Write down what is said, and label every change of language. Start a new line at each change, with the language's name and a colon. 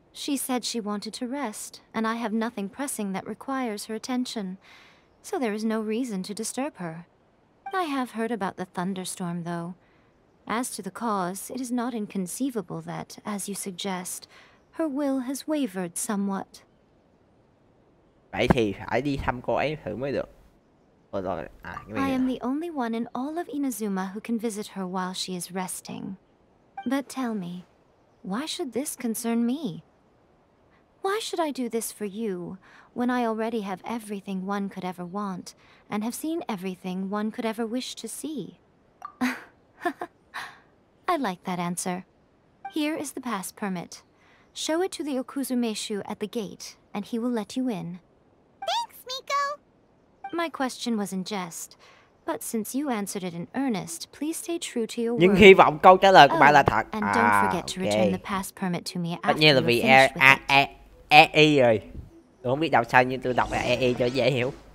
English: She said she wanted to rest, and I have nothing pressing that requires her attention. So there is no reason to disturb her. I have heard about the thunderstorm, though. As to the cause, it is not inconceivable that, as you suggest, her will has wavered somewhat.
Vietnamese: Vậy thì phải đi thăm cô ấy thử mới được. Rồi, rồi. À,
English: I am the only one in all of Inazuma who can visit her while she is resting. But tell me, why should this concern me? Why should I do this for you, when I already have everything one could ever want, and have seen everything one could ever wish to see? I like that answer. Here is the pass permit. Show it to the Okuzumeshu at the gate, and he will let you in. Thanks, Miko! My question was in jest, but since you answered it in earnest, please stay true to your
Vietnamese: nhưng
English: word.
Vietnamese: Nhưng hy vọng câu trả lời của bạn là thật.
English: And don't forget to return the pass permit to me after you finish with it.
Vietnamese: Tất nhiên là vì E-E rồi. Tôi không biết đọc sao nhưng tôi đọc là E-E cho dễ hiểu.